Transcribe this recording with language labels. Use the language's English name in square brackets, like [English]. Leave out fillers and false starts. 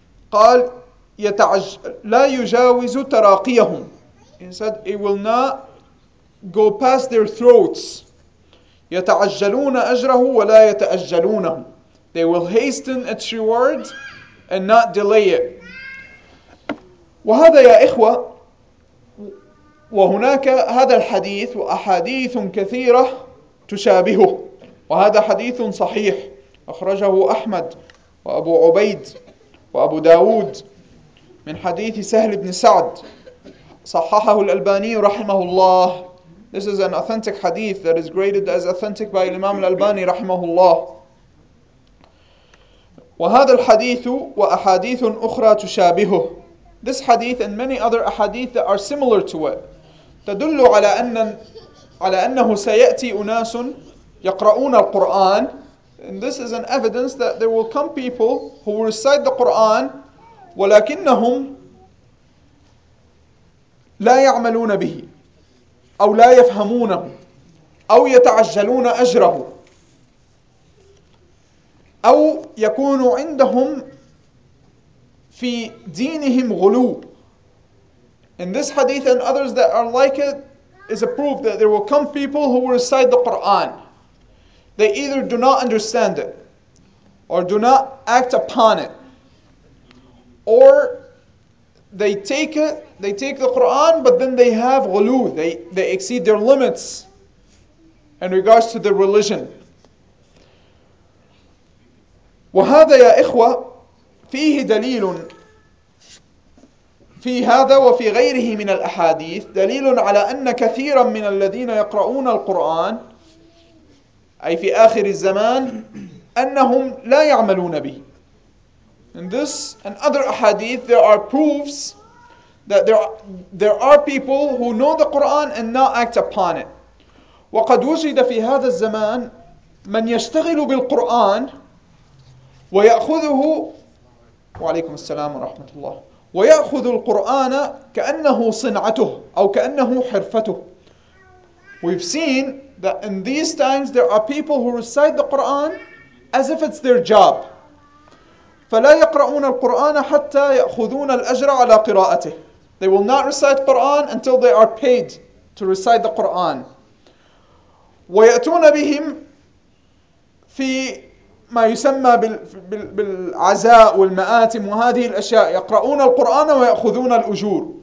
[Arabic] قال يتعجل لا يجاوز تراقيهم. [English] He said it will not go past their throats. [Arabic] يتعجلون أجره ولا يتأجلونه. [English] They will hasten its reward and not delay it. [Arabic] وهذا يا إخوة, وهناك هذا الحديث وأحاديث كثيرة تشابهه, وهذا حديث صحيح أخرجه أحمد وأبو عبيد وأبو داود من حديث سهل بن سعد صححه الألباني رحمه الله. [English] This is an authentic hadith that is graded as authentic by الإمام الألباني رحمه الله. [Arabic] وهذا الحديث وأحاديث أخرى تشابهه. [English] This hadith and many other ahadith that are similar to it [Arabic] تدل على أنه سيأتي أناس يقرؤون القرآن. [English] And this is an evidence that there will come people who will recite the Quran, [Arabic] ولكنهم لا يعملون به أو لا يفهمونه أو يتعجلون أجره أو يكون عندهم في دينهم غلو. [English] In this hadith and others that are like it, is a proof that there will come people who will recite the Quran. They either do not understand it, or do not act upon it, or they take the Quran, but then they have ghulu, they exceed their limits in regards to their religion. [Arabic] وهذا يا إخوة فيه دليل في هذا وفي غيره من الأحاديث دليل على أن كثيرا من الذين يقرؤون القرآن أي في آخر الزمان أنهم لا يعملون به. [English] In this and other ahadith there are proofs that there are people who know the Quran and not act upon it. [Arabic] وقد وجد في هذا الزمان من يشتغل بالقرآن ويأخذه وعليكم السلام ورحمة الله ويأخذ القرآن كأنه صنعته أو كأنه حرفته. [English] We've seen that in these times there are people who recite the Quran as if it's their job. [Arabic] فلا يقرؤون القرآن حتى يأخذون الأجر على قراءته. [English] They will not recite Quran until they are paid to recite the Quran. [Arabic] ويأتون بهم في ما يسمى بالعزاء والمآتم وهذه الأشياء. يقرؤون القرآن ويأخذون الأجور.